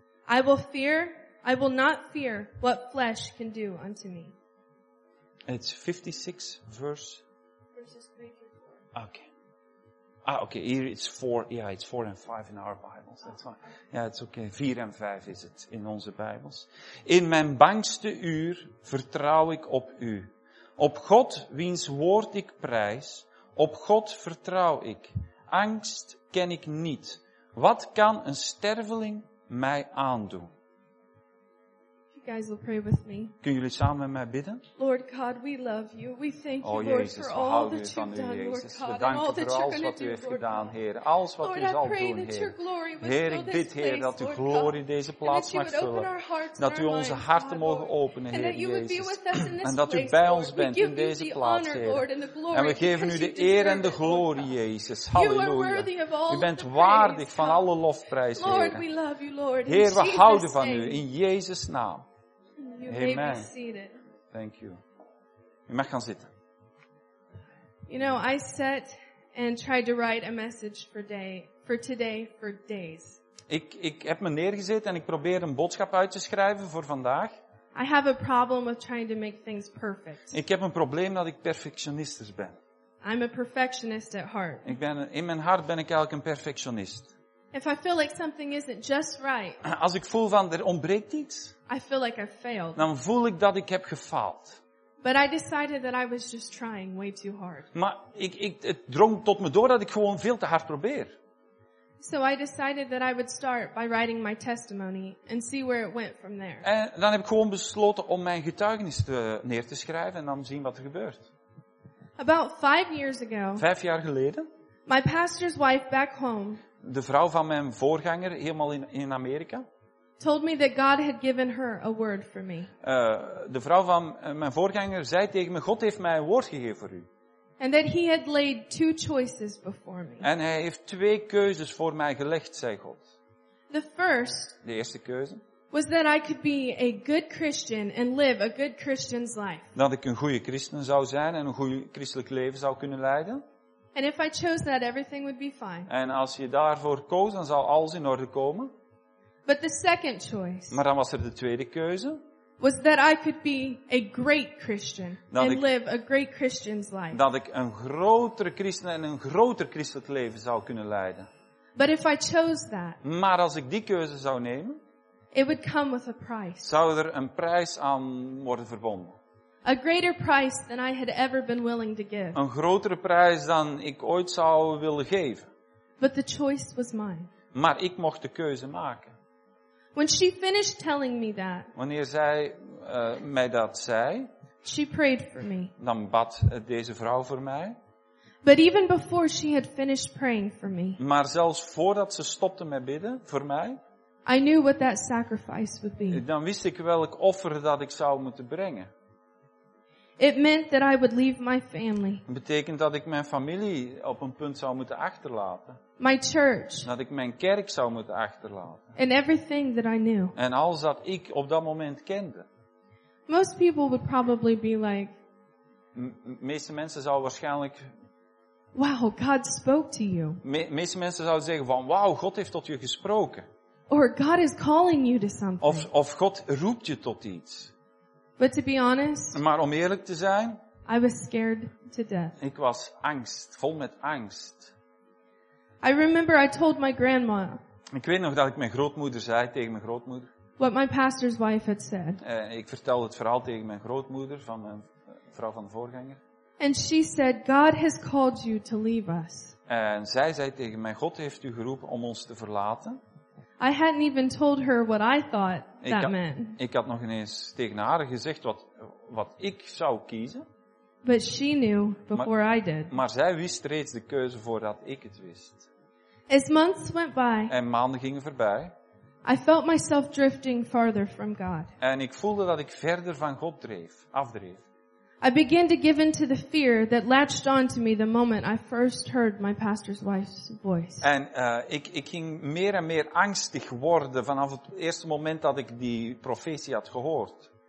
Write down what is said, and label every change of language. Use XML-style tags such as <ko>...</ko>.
<en>I will not fear what flesh can do unto me. It's 56 verses 3 to 4. Okay. Here it's 4. Yeah, it's 4 and 5 in our Bibles. That's fine. Yeah, it's okay. 4 and 5 is it</en> <nl>in onze Bijbels. In mijn bangste uur vertrouw ik op u. Op God wiens woord ik prijs. Op God vertrouw ik. Angst ken ik niet. Wat kan een sterveling mij aandoen?</nl> <en>Guys will pray with me.</en> <nl>Kunnen jullie samen met mij bidden?</nl> <en>Lord God, we love you. We thank you, Lord, Jezus, for all that you've done, Jezus. Lord God.</en> <nl>We danken voor alles wat u heeft gedaan, Heer. Alles wat</nl> <en>Lord,</en> <nl>u zal doen, Heer. Heer, ik bid, Heer, dat uw glorie deze plaats mag vullen. Dat u onze harten mogen openen, Heer, Jezus. En dat u bij ons bent in deze plaats, Heer. En we geven u de eer en de glorie, Jezus. Halleluja. U bent waardig van alle lofprijs, Heer. Heer, we houden van u in Jezus' naam.</nl> <en>You may be seated. Thank you.</en> <nl>Je mag gaan zitten.</nl> <en>You know, I sat and tried to write a message for today for days.</en> <nl>Ik heb me neergezet en ik probeer een boodschap uit te schrijven voor vandaag.</nl> <en>I have a problem with trying to make things perfect.</en> <nl>Ik heb een probleem dat ik perfectionistisch ben.</nl> <en>I'm a perfectionist at heart.</en> <nl>In mijn hart ben ik eigenlijk een perfectionist.</nl> <en>If I feel like something isn't just right,</en> <nl>als ik voel van er ontbreekt iets,</nl> <en>I feel like I failed.</en> <nl>Dan voel ik dat ik heb gefaald.</nl> <en>But I decided that I was just trying way too hard.</en> <nl>Maar het drong tot me door dat ik gewoon veel te hard probeer.</nl> <en>So I decided that I would start by writing my testimony and see where it went from there.</en> <nl>En dan heb ik gewoon besloten om mijn getuigenis neer te schrijven en dan zien wat er gebeurt.</nl> <en>About 5 years ago.</en> <nl>5 jaar geleden.</nl> <en>My pastor's wife back home.</en> <nl>De vrouw van mijn voorganger, helemaal in Amerika.</nl> <en>Told me that God had given her a word for me.</en> <nl>De vrouw van mijn voorganger zei tegen me, God heeft mij een woord gegeven voor u.</nl> <en>And that he had laid two choices before me.</en> <nl>En hij heeft twee keuzes voor mij gelegd, zei God.</nl> <en>The first.</en> <nl>De eerste keuze.</nl> <en>Was that I could be a good Christian and live a good Christian's life.</en> <nl>Dat ik een goede christen zou zijn en een goed christelijk leven zou kunnen leiden.</nl> <en>And if I chose that, everything would be fine.</en> <nl>En als je daarvoor koos, dan zou alles in orde komen.</nl> <en>But the second choice.</en> <nl>Maar dan was er de tweede keuze.</nl> <en>Was that I could be a great Christian and live a great Christian's life.</en> <nl>Dat ik een grotere christen en een groter christelijk leven zou kunnen leiden.</nl> <en>But if I chose that.</en> <nl>Maar als ik die keuze zou nemen.</nl> <en>It would come with a price.</en> <nl>Zou er een prijs aan worden verbonden.</nl> <en>A greater price than I had ever been willing to give.</en> <nl>Een grotere prijs dan ik ooit zou willen geven.</nl> <en>But the choice was mine.</en> <nl>Maar ik mocht de keuze maken.</nl> <en>When she finished telling me that.</en> <nl>Wanneer zij mij dat zei.</nl> <en>She prayed for me.</en> <nl>Dan bad deze vrouw voor mij.</nl> <en>But even before she had finished praying for me.</en> <nl>Maar zelfs voordat ze stopte met bidden voor mij.</nl> <en>I knew what that sacrifice would be.</en> <nl>Dan wist ik welk offer dat ik zou moeten brengen.</nl> <en>It meant that I would leave my family.</en> <nl>Het betekent dat ik mijn familie op een punt zou moeten achterlaten.</nl> <en>My church.</en> <nl>Dat ik mijn kerk zou moeten achterlaten.</nl> <en>And everything that I knew.</en> <nl>En alles dat ik op dat moment kende.</nl> <en>Most people would probably be like.</en> <nl>Meeste mensen zouden waarschijnlijk.</nl> <en>Wow, God spoke to you.</en> <nl>Meeste mensen zouden zeggen van, wow, God heeft tot je gesproken.</nl> <en>Or God is calling you to something.</en> <nl>Of God roept je tot iets.</nl> <en>But to be honest,</en> <nl>maar om eerlijk te zijn,</nl> <en>I was scared to death.</en> <nl>Ik was angst, vol met angst.</nl> <en>I remember I told my grandma.</en> <nl>Ik weet nog dat ik mijn grootmoeder zei tegen mijn grootmoeder.</nl> <en>What my pastor's wife had said.</en> <nl>Ik vertelde het verhaal tegen mijn grootmoeder van mijn vrouw van de voorganger.</nl> <en>And she said, God has called you to leave us.</en> <nl>En zij zei tegen mij, God heeft u geroepen om ons te verlaten.</nl> <en>I hadn't even told her what I thought that meant.</en> <nl>Ik had nog ineens tegen haar gezegd wat ik zou kiezen.</nl> <en>But she knew before I did.</en> <nl>Maar zij wist reeds de keuze voordat ik het wist.</nl> <en>As months went by,</en> <nl>en maanden gingen voorbij.</nl> <en>I felt myself drifting farther from God.</en> <nl>En ik voelde dat ik verder van God dreef, afdreef.</nl> <en>I began to give in to the fear that latched onto me the moment I first heard my pastor's wife's voice.</en> <nl>En ik ging meer en meer angstig worden vanaf het eerste moment dat ik die profetie had gehoord.</nl>